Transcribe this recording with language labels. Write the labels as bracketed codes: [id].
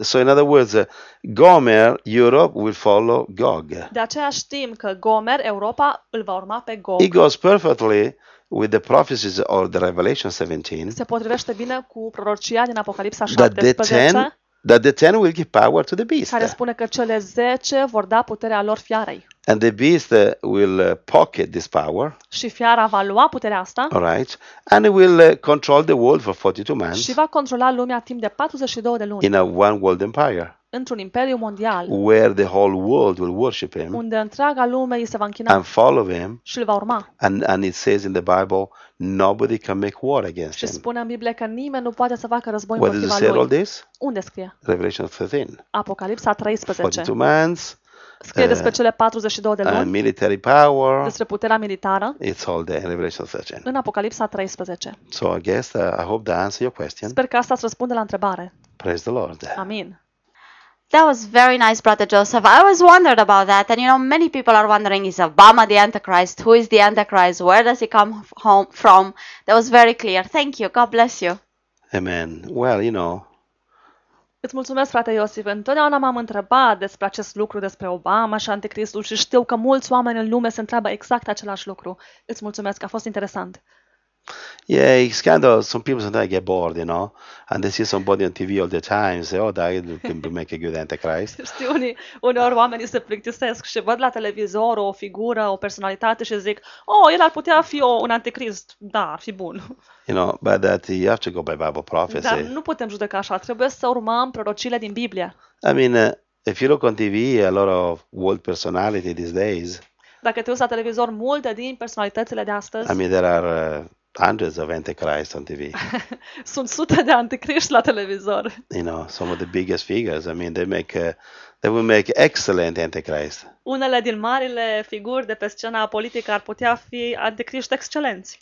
[en] So in other words, Gomer, Europe will follow Gog. [ro] De aceea știm că Gomer, Europa, îl va urma pe Gog. [en] It goes perfectly with the prophecies of the Revelation 17. [ro] Se potrivește bine cu prorocia din Apocalipsa 17. [en] That the 10 will give power to the beast. [ro] Care spune că cele 10 vor da puterea lor fiarei. [en] And the beast will pocket this power. [ro] Și fiara va lua puterea asta. [en] All right. And it will control the world for 42 months. [ro] Și va controla lumea timp de 42 de luni. [en] In a one world empire. [ro] Într-un imperiu mondial. [en] Where the whole world will worship him. [ro] Unde întreaga lume îi se va închina. [en] And follow him. [ro] Și îl va urma. [en] And it says in the Bible nobody can make war against him. [ro] Și spune în Biblie că nimeni nu poate să facă război împotriva lui. [en] Where does it say all this? [ro] Unde scrie? [en] Revelation 13. [ro] Apocalipsa 13. [en] 42 months. [ro] Scrie despre cele 42 de luni. [en] Military power. [ro] Despre puterea militară. [en] It's all there in Revelation 13. [ro] În Apocalipsa 13. [en] So I guess I hope that answers your question. [ro] Sper că asta îți răspunde la întrebare. [en] Praise the Lord. [ro] Amin. [en] That was very nice, Brother Joseph. I was wondered about that. And you know, many people are wondering, is Obama the Antichrist? Who is the Antichrist? Where does he come home from? That was very clear. Thank you. God bless you. Amen. Well, you know, [ro] Îți mulțumesc, frate Iosif. Întotdeauna m-am întrebat despre acest lucru, despre Obama și Anticristul și știu că mulți oameni în lume se întreabă exact același lucru. Îți mulțumesc, a fost interesant. [en] Yeah, it's kind of, some people sometimes get bored, you know, and they see somebody on TV all the time and say, oh, that can make a good Antichrist. [ro] Știu, uneori oamenii se plictisesc și văd la televizor o figură, o personalitate și zic, oh, el ar putea fi un Anticrist, da, ar fi bun. [en] You know, but that you have to go by Bible prophecy. [ro] Dar nu putem judeca așa, trebuie să urmăm prorocile din Biblie. [en] I mean, if you look on TV, a lot of world personality these days. [ro] Dacă te uiți la televizor, multe din personalitățile de astăzi. [en] I mean, there are hundreds of antichrists on TV. [ro] Sunt sute de anticriști la televizor. [en] You know, some of the biggest figures. I mean, they will make excellent antichrist. [ro] Unele din marile figuri de pe scena politică ar putea fi anticriști excelenți.